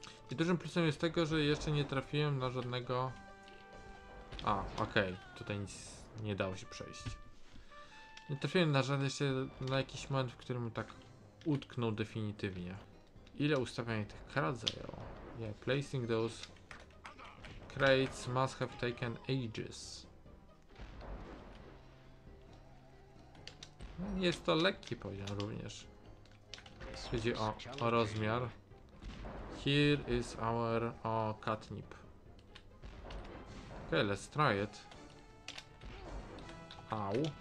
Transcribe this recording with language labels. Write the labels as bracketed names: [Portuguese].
[Polish] I dużym plusem jest tego, że jeszcze nie trafiłem na żadnego... A, okej. Tutaj nic nie dało się przejść. Nie trafiłem na żaden jeszcze na jakiś moment, w którym tak utknął definitywnie. Ile ustawianie tych krat zajęło? [English] Yeah, placing those crates must have taken ages. [Polish] Jest to lekki poziom również. Chodzi o rozmiar. [English] Here is our catnip. Okay, let's try it. Ow.